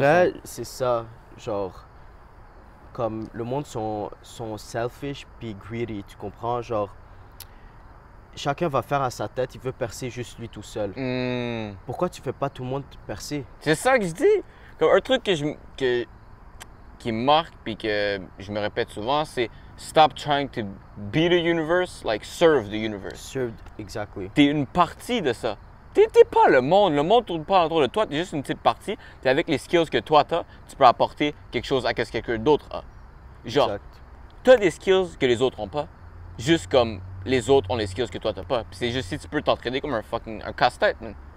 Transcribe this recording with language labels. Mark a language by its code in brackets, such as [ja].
[fr] vrai, c'est ça, genre, comme le monde sont selfish puis greedy, tu comprends? Genre, chacun va faire à sa tête, il veut percer juste lui tout seul. Pourquoi tu fais pas tout le monde percer? C'est ça que je dis! Comme un truc qui me marque, puis que je me répète souvent, c'est... [en] Stop trying to be the universe, like serve the universe. Served, exactly. [fr] T'es une partie de ça. T'es pas le monde. Le monde tourne pas autour de toi. T'es juste une petite partie. T'es avec les skills que toi t'as, tu peux apporter quelque chose à ce que quelqu'un d'autre a. Genre, Exact. t'as des skills que les autres ont pas. Juste comme les autres ont les skills que toi t'as pas. Puis c'est juste si tu peux t'entraîner comme un casse-tête, man.